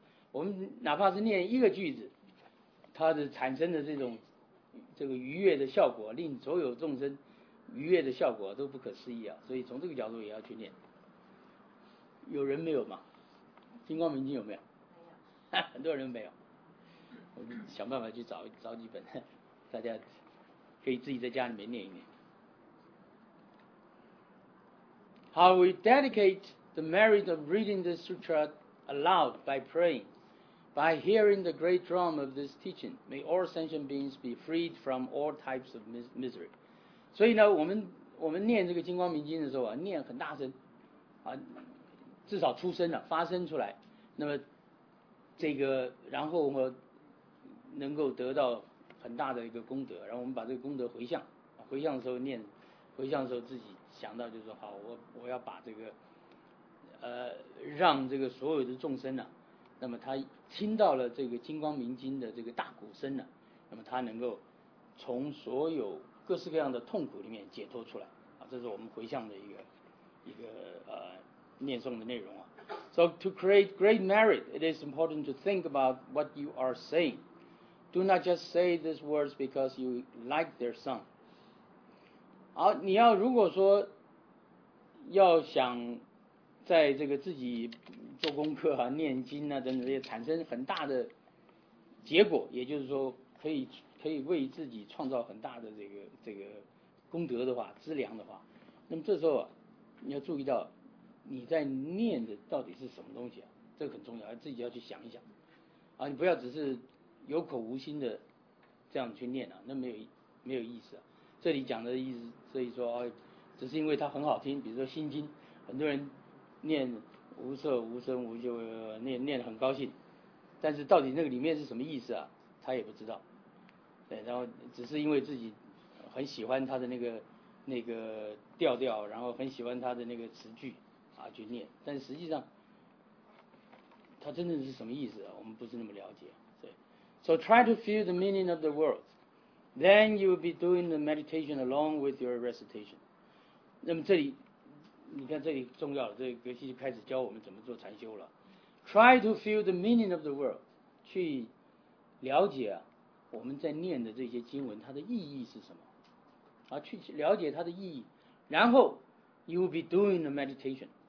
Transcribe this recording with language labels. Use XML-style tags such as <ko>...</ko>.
<zh>我们哪怕是念一个句子，它的产生的这个愉悦的效果，令所有众生愉悦的效果都不可思议啊。所以从这个角度也要去念。有人没有吗？金光明经有没有？没有，很多人没有。我们想办法去找几本，大家可以自己在家里面念一念。</zh> <en>How we dedicate the merit of reading the sutra aloud by praying, by hearing the great drum of this teaching, may all sentient beings be freed from all types of misery.</en> <zh>所以呢，我们念这个金光明经的时候啊，念很大声啊。至少出声了，发声出来，那么这个然后我能够得到很大的一个功德，然后我们把这个功德回向的时候念，回向的时候自己想到就是说，好，我要把这个让这个所有的众生呢、啊，那么他听到了这个金光明经的这个大鼓声呢、啊，那么他能够从所有各式各样的痛苦里面解脱出来啊，这是我们回向的一个念诵的内容啊。</zh> <en>So to create great merit, it is important to think about what you are saying. Do not just say these words because you like their sound.</en> <zh>好，你要如果说要想在这个自己做功课啊、念经啊等等这些产生很大的结果，也就是说可以为自己创造很大的这个功德的话、资粮的话，那么这时候、啊、你要注意到你在念的到底是什么东西啊？这个很重要，自己要去想一想啊！你不要只是有口无心的这样去念啊，那没有意思啊。这里讲的意思，所以说啊，只是因为它很好听，比如说《心经》，很多人念无色无声无就念得很高兴，但是到底那个里面是什么意思啊？他也不知道。对，然后只是因为自己很喜欢他的那个调调，然后很喜欢他的那个词句。去念，但实际上它真正是什么意思、啊、我们不是那么了解。</zh> <en>So try to feel the meaning of the words, then you will be doing the meditation along with your recitation.</en> <zh>那么这里你看，这里重要了，这格西就开始教我们怎么做禅修了。</zh> <en>Try to feel the meaning of the words,</en> <zh>去了解、啊、我们在念的这些经文它的意义是什么、啊、去了解它的意义，然后</zh> <en>you will be doing the meditation。</en>